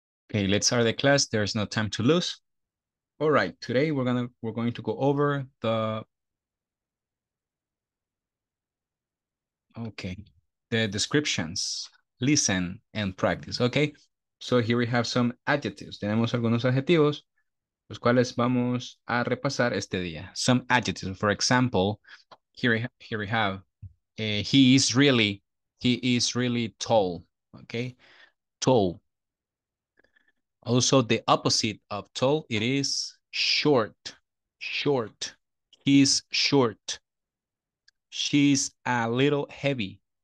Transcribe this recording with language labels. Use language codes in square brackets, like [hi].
[en] Okay, let's start the class. There's no time to lose. All right, today we're going to go over the the descriptions. Listen and practice. Okay, so here we have some adjectives. [es] Tenemos algunos adjetivos los cuales vamos a repasar este día. [en] Some adjectives. For example, here we have he is really tall. Okay, tall. Also, the opposite of tall, it is short, short. He's short. She's a little heavy.